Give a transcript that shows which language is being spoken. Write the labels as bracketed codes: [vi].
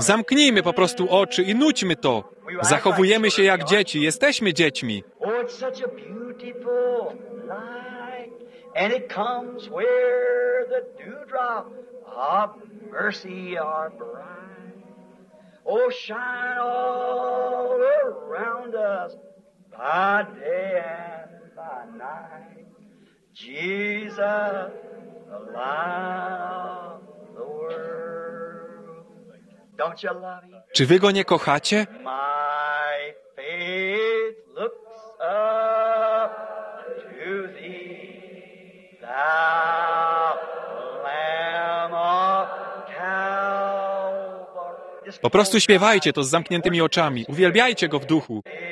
[pl] Zamknijmy po prostu oczy i nućmy to. Zachowujemy się jak dzieci. Jesteśmy dziećmi. [en] Oh, it's such a beautiful light. And it comes where the dewdrop of mercy are bright. Oh, shine all around us by day and by night. Jesus, the light of the world. Don't you love him? [pl] Czy wy go nie kochacie? [en] My faith looks up to thee, thou Lamb of Calvary. [pl] Po prostu śpiewajcie to z zamkniętymi oczami. Uwielbiajcie go w duchu.